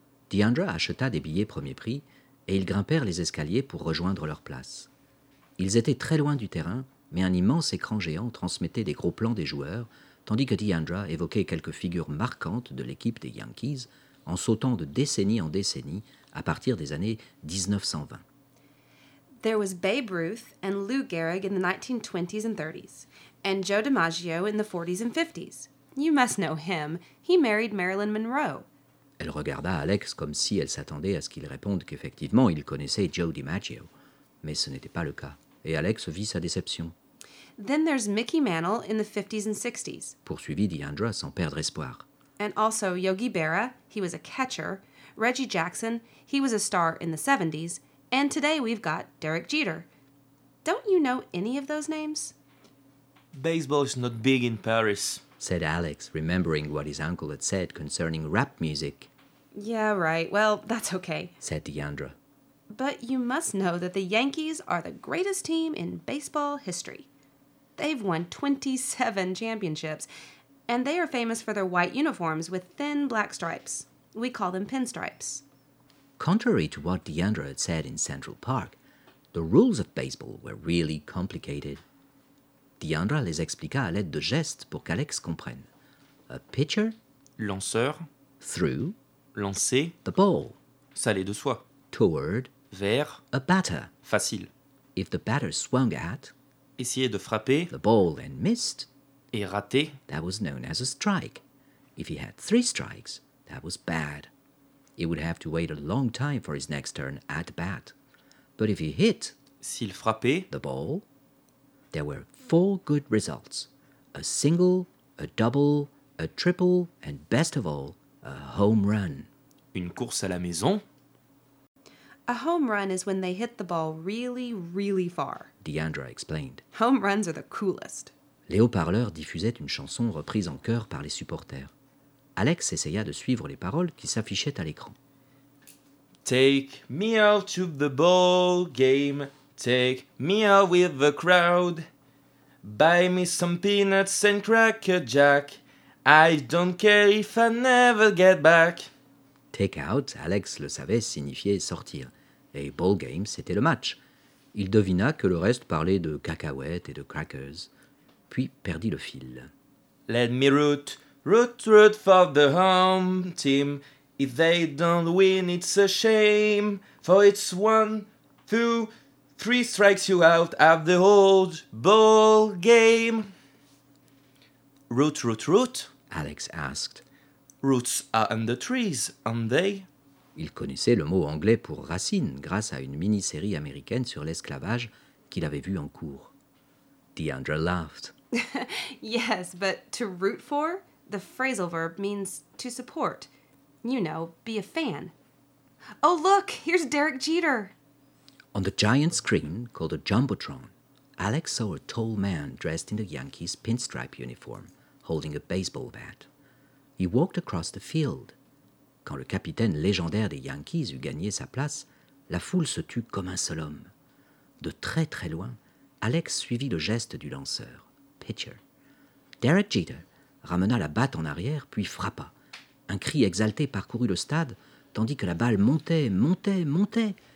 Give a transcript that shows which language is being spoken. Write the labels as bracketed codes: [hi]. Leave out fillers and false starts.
[fr] DeAndre acheta des billets premier prix et ils grimpèrent les escaliers pour rejoindre leur place. Ils étaient très loin du terrain, mais un immense écran géant transmettait des gros plans des joueurs, tandis que DeAndre évoquait quelques figures marquantes de l'équipe des Yankees en sautant de décennie en décennie à partir des années 1920. [en] There was Babe Ruth and Lou Gehrig in the 1920s and 30s, and Joe DiMaggio in the 40s and 50s. You must know him. He married Marilyn Monroe. [fr] Elle regarda Alex comme si elle s'attendait à ce qu'il réponde qu'effectivement il connaissait Joe DiMaggio. Mais ce n'était pas le cas, et Alex vit sa déception. [en] Then there's Mickey Mantle in the 50s and 60s. [fr] Poursuivit DeAndre sans perdre espoir. [en] And also Yogi Berra, he was a catcher. Reggie Jackson, he was a star in the 70s. And today we've got Derek Jeter. Don't you know any of those names? Baseball is not big in Paris, said Alex, remembering what his uncle had said concerning rap music. Yeah, right. Well, that's okay, said DeAndre. But you must know that the Yankees are the greatest team in baseball history. They've won 27 championships, and they are famous for their white uniforms with thin black stripes. We call them pinstripes. Contrary to what DeAndre had said in Central Park, the rules of baseball were really complicated. [fr] DeAndre les expliqua à l'aide de gestes pour qu'Alex comprenne. [en] A pitcher, [fr] lanceur, [en] through, [fr] lancer, [en] the ball, [fr] s'aller de soi, [en] toward, [fr] vers, [en] a batter, [fr] facile. [en] If the batter swung at, [fr] essayer de frapper, [en] the ball and missed, [fr] et raté, [en] that was known as a strike. If he had three strikes, that was bad. He would have to wait a long time for his next turn at bat. But if he hit, s'il frappait, the ball, there were four good results. A single, a double, a triple, and best of all, a home run. [fr] Une course à la maison? [en] A home run is when they hit the ball really, really far, DeAndre explained. Home runs are the coolest. [fr] Les haut-parleurs diffusaient une chanson reprise en chœur par les supporters. Alex essaya de suivre les paroles qui s'affichaient à l'écran. [en] Take me out to the ball game. Take me out with the crowd. Buy me some peanuts and Cracker Jack. I don't care if I never get back. [fr] Take out, Alex le savait, signifiait sortir. Et ball game, c'était le match. Il devina que le reste parlait de cacahuètes et de crackers. Puis perdit le fil. [en] Let me root. Root, root for the home team. If they don't win, it's a shame. For it's one, two, three strikes you out of the whole ball game. Root, root, root? Alex asked. Roots are under trees, aren't they? [fr] Il connaissait le mot anglais pour racine grâce à une mini-série américaine sur l'esclavage qu'il avait vue en cours. [en] DeAndre laughed. Yes, but to root for? The phrasal verb means to support. You know, be a fan. Oh, look, here's Derek Jeter. On the giant screen called a jumbotron, Alex saw a tall man dressed in the Yankees pinstripe uniform, holding a baseball bat. He walked across the field. [fr] Quand le capitaine légendaire des Yankees eut gagné sa place, la foule se tut comme un seul homme. De très très loin, Alex suivit le geste du lanceur, pitcher. Derek Jeter ramena la batte en arrière, puis frappa. Un cri exalté parcourut le stade, tandis que la balle montait, montait, montait.